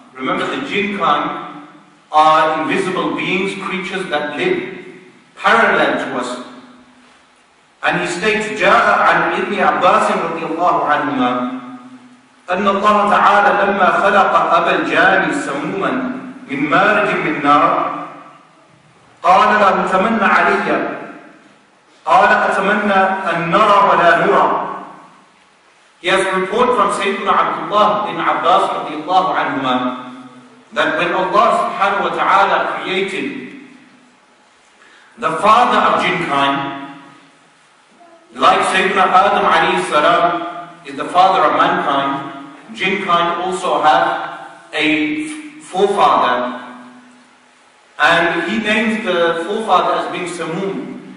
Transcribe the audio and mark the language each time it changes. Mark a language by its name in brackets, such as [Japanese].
[English] Remember, the jinn kind are invisible beings, creatures that live parallel to us. And he states, [Arabic] Ja'a an Ibn Abbas radiallahu anhumah, أن الله تعالى لما خلق أبا الجان سموما من مارج من نار قال أن تمنى علي قال أتمنى أن نرى ولا نرى. [English] He has reported from Sayyidina Abdullah bin Abbas radiallahu anhuma that when Allah subhanahu wa ta'ala created the father of jinnkind, like Sayyidina Adam alayhi salam is the father of mankind, jinnkind also have a forefather, and he names the forefather as being Samum.